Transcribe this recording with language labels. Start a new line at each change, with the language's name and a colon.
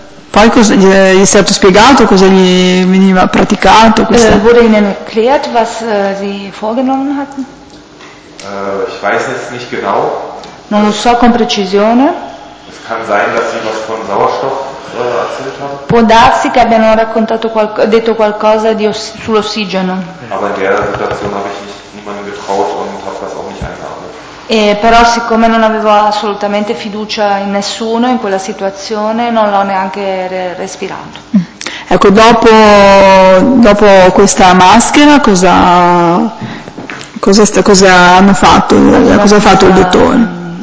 Italian: Poi cosa gli è stato spiegato, cosa gli veniva praticato?
German: Wurde Ihnen erklärt, was Sie vorgenommen hatten? Ich weiß jetzt nicht genau.
Italian: Non lo so con precisione.
German: Es kann sein, dass Sie was von Sauerstoff erzählt haben.
Italian: Può darsi che abbiano raccontato detto qualcosa sull'ossigeno.
German: Aber in der Situation habe ich niemandem getraut und habe das auch nicht eingeatmet.
Italian: Però siccome non avevo assolutamente fiducia in nessuno in quella situazione, non l'ho neanche respirato. Ecco, dopo questa maschera cosa hanno fatto? Allora, cosa ha fatto il dottore?